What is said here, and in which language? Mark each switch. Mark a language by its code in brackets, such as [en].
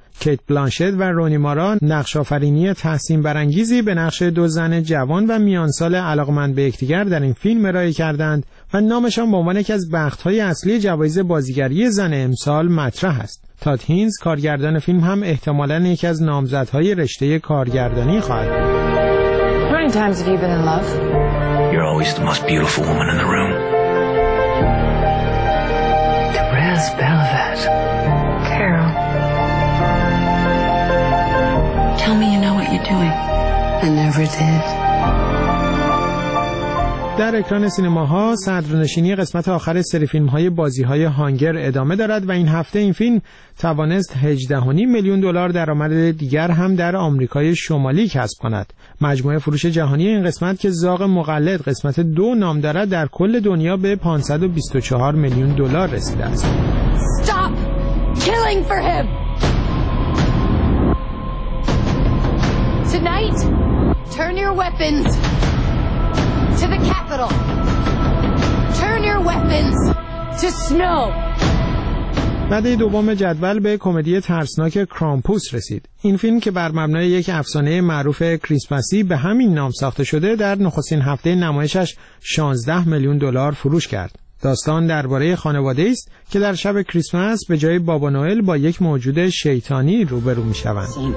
[fa] کیت بلانشت و رونی مارا نقش‌آفرینی تحسین برانگیزی به نقش 2 زن جوان و میانسال علاقمند به یکدیگر در این فیلم ارائه کردند و نامشان به عنوان یکی از بخت‌های اصلی جوایز بازیگری زن امسال مطرح است. تات هینز کارگردان فیلم هم احتمالاً یکی از نامزدهای رشته کارگردانی خواهد بود. [en] How many times have you been in love? You're always the most beautiful woman in the room. Therese Belvet. Carol. [fa] در اکران سینماها صدرنشینی قسمت آخر سری فیلم‌های بازی‌های هانگر ادامه دارد و این هفته این فیلم توانست 18.5 میلیون دلار درآمد دیگر هم در آمریکای شمالی کسب کند. مجموعه فروش جهانی این قسمت که زاغ مقلد قسمت 2 نام دارد در کل دنیا به 524 میلیون دلار رسیده است. [en] Stop killing for him. Tonight, turn your weapons to the Capitol. Turn your weapons to snow. [fa] بعد دوم جدول به کمدی ترسناک کرامپوس رسید. این فیلم که بر مبنای یک افسانه معروف کریسمسی به همین نام ساخته شده، در نخستین هفته نمایشش 16 میلیون دلار فروش کرد. داستان درباره خانواده است که در شب کریسمس به جای بابا نوئل با یک موجود شیطانی روبرو می شوند.